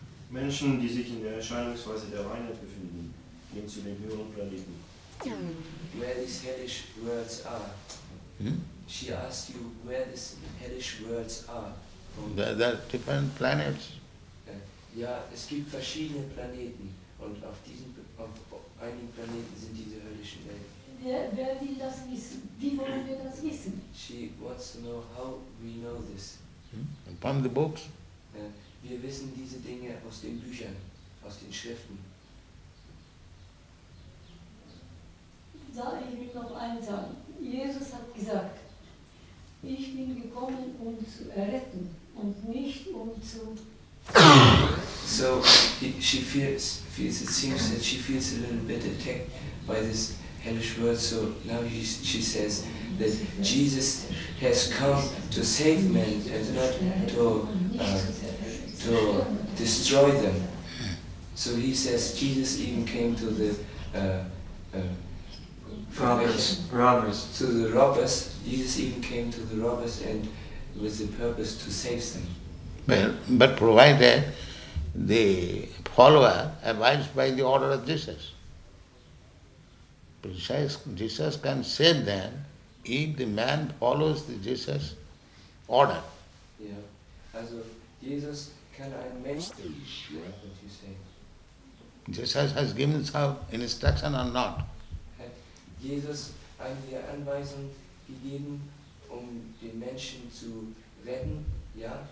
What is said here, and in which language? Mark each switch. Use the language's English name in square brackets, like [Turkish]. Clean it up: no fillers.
[German] Menschen, die sich in der Erscheinungsweise der Reinheit befinden, gehen zu den höheren Planeten. [English] Where these hellish worlds are? She asked you where these hellish worlds are. There are different planets. [German] Ja, es gibt verschiedene Planeten und auf diesen auf einigen Planeten sind diese höllischen Welten. Wer will das wissen? Wie wollen wir das wissen? [English] She wants to know how we know this. From the books. [German] Wir wissen diese Dinge aus den Büchern, aus den Schriften. Ich will noch eins sagen. Jesus hat gesagt, ich bin gekommen, um zu erretten und nicht um zu... [English] So, she feels, it seems that she feels a little bit attacked by this hellish word, so now she says that Jesus has come to save men and not to... to destroy them. So he says Jesus even came to the robbers. To the robbers, Jesus even came to the robbers and with the purpose to save them. Well, but provided the follower abides by the order of Jesus. Jesus can save them if the man follows the Jesus order. Yeah. As of Jesus, can I make the what you say? Jesus has given some instruction or not? [German] Jesus, an die Anweisung gegeben, die Menschen zu retten, ja?